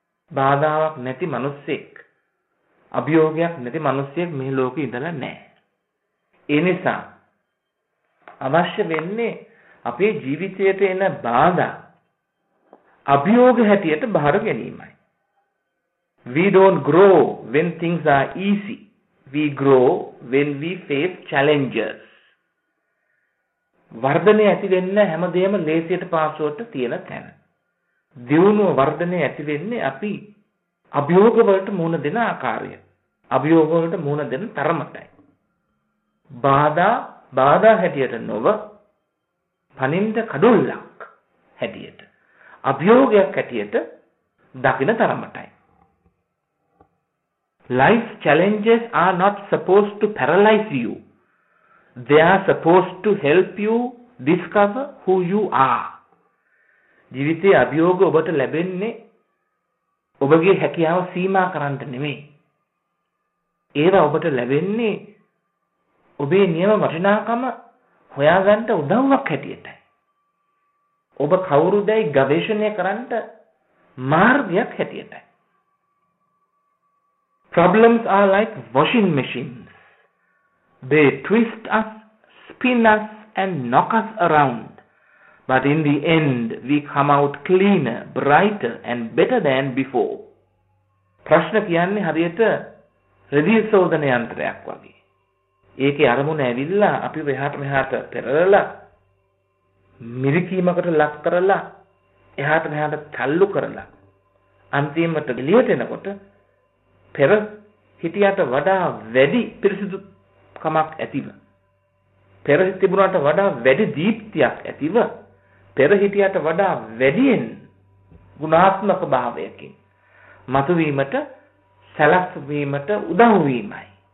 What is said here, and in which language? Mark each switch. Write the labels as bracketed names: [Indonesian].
[Sinhala] බාධාවක් නැති මිනිස්සෙක්, අභියෝගයක් නැති මිනිස්සෙක් මේ ලෝකේ ඉඳලා නැහැ. ඒ නිසා අවශ්‍ය වෙන්නේ අපේ ජීවිතයට එන බාධා අභියෝග හැටියට බාර ගැනීමයි. [English] We don't grow when things are easy. We grow when we face challenges. [Sinhala] වර්ධනය ඇති වෙන්න හැම දෙයම ලේසියට පාසුවට තියෙන තැන. දියුණුව, වර්ධනය ඇති වෙන්නේ අපි අභියෝග වලට මුහුණ දෙන ආකාරය, අභියෝග වලට මුහුණ දෙන තරමටයි. බාධා බාධා හැටියට නොව පනින්ද කඩුල්ලක් හැටියට, අභියෝගයක් හැටියට දකින තරමටයි. [English] Life challenges are not supposed to paralyze you. They are supposed to help you discover who you are. [Sinhala] ජීවිතයේ අභියෝග ඔබට ලැබෙන්නේ ඔබගේ හැකියාව සීමා කරන්න නෙමෙයි. ඒවා ඔබට ලැබෙන්නේ ඔබේ නියම වටිනාකම හොයාගන්න උදව්වක් හැටියටයි. ඔබ කවුරුදයි ගවේෂණය කරන්න මාර්ගයක් හැටියටයි. [English] Problems are like washing machines. They twist us, spin us, and knock us around. But in the end, we come out cleaner, brighter, and better than before. [Sinhala] ප්‍රශ්න කියන්නේ හරියට හෘදය ශෝධන යන්ත්‍රයක් වගේ. ඒකේ අරමුණ ඇවිල්ලා අපි මෙහාට මෙහාට පෙරලලා මිරිකීමකට ලක් කරලා එහාට මෙහාට තල්ලු කරලා අන්තිමට එළියට එනකොට පෙර හිටියට වඩා වැඩි පිරිසිදු කමක් ඇතිව, පෙර තිබුණාට වඩා වැඩි දීප්තියක් ඇතිව, පෙර හිටියට වඩා වැඩියෙන් ගුණාත්මක භාවයකින් මතුවීමට, සැලැස්වීමට උදව් වීමයි.